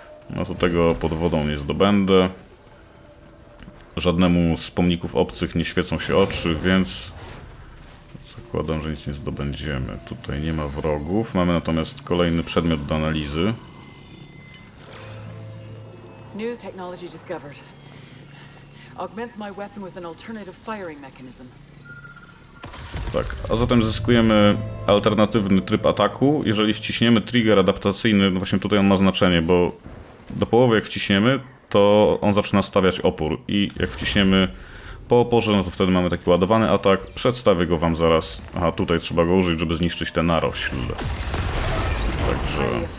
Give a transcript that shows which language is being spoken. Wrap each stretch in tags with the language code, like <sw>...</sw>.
<pl>No to tego pod wodą nie zdobędę. Żadnemu z pomników obcych nie świecą się oczy, więc... Zakładam, że nic nie zdobędziemy. Tutaj nie ma wrogów. Mamy natomiast kolejny przedmiot do analizy.</pl> <en>New technology discovered. Augments my weapon with an alternative firing mechanism.</en> <pl>Tak, a zatem zyskujemy alternatywny tryb ataku. Jeżeli wciśniemy trigger adaptacyjny, no właśnie tutaj on ma znaczenie, bo do połowy jak wciśniemy, to on zaczyna stawiać opór. I jak wciśniemy po oporze, no to wtedy mamy taki ładowany atak. Przedstawię go wam zaraz. Aha, tutaj trzeba go użyć, żeby zniszczyć te narośl. Także...</pl>